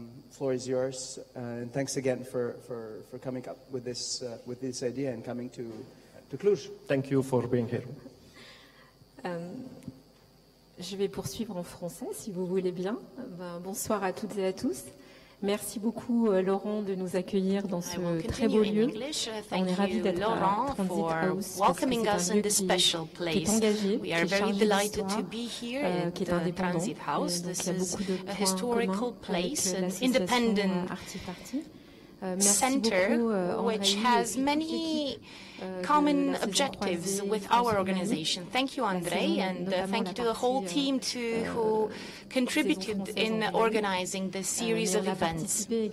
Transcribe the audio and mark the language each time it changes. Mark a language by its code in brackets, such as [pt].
[en] Floor is yours, and thanks again for coming up with this idea and coming to Cluj. Thank you for being here. [fr] Je vais poursuivre en français, si vous voulez bien. Ben, bonsoir à toutes et à tous. Merci beaucoup, Laurent, de nous accueillir dans ce très beau lieu. On est ravis d'être à Tranzit House, parce que c'est un lieu qui est engagé, qui est chargé d'histoire, qui est indépendant. Et donc, il y a beaucoup de points communs avec l'association Arty Farty. [en] Center, which has many common objectives with our organization. Thank you, André, and thank you to the whole team too, who contributed in organizing this series of events